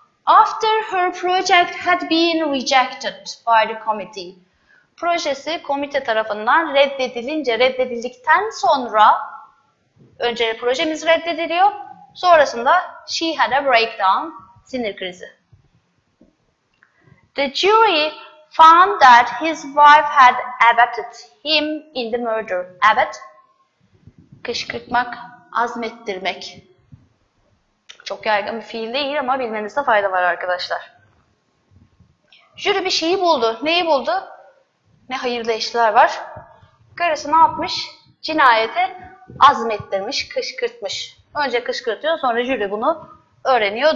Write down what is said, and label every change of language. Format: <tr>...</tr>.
<en>After her project had been rejected by the committee.</en> <tr>Projesi komite tarafından reddedilince, reddedildikten sonra önce projemiz reddediliyor. Sonrasında</tr> <en>she had a breakdown,</en> <tr>sinir krizi.</tr> <en>The jury found that his wife had abetted him in the murder.</en> <tr>Abet, kışkırtmak, azmettirmek. Çok yaygın bir fiil değil ama bilmenizde fayda var arkadaşlar. Jüri bir şeyi buldu. Neyi buldu? Ne hayırlı işler var. Karısı ne yapmış? Cinayete azmettirmiş, kışkırtmış. Önce kışkırtıyor, sonra jüri bunu öğreniyor.</tr>